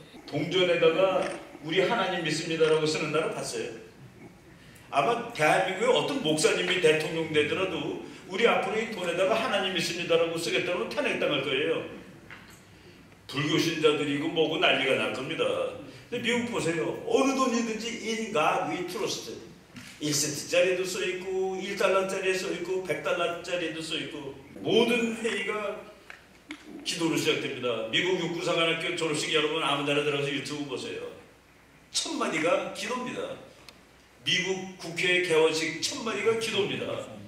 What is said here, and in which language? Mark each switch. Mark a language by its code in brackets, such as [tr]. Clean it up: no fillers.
[ko] 동전에다가 우리 하나님 믿습니다라고 쓰는 나라 봤어요? 아마 대한민국의 어떤 목사님이 대통령 되더라도 우리 앞으로 이 돈에다가 하나님 믿습니다라고 쓰겠다고 탄핵당할 거예요. 불교 신자들이고 뭐고 난리가 날 겁니다. 근데 미국 보세요. 어느 돈이든지 [en] in God we trust. [ko] 1센트짜리도 써있고 1달러짜리에 써있고 100달러짜리도 써있고 모든 회의가 기도로 시작됩니다. 미국 육군사관학교 졸업식 여러분 아무 데나 들어가서 유튜브 보세요. 첫 마디가 기도입니다. 미국 국회 개원식 첫 마디가 기도입니다.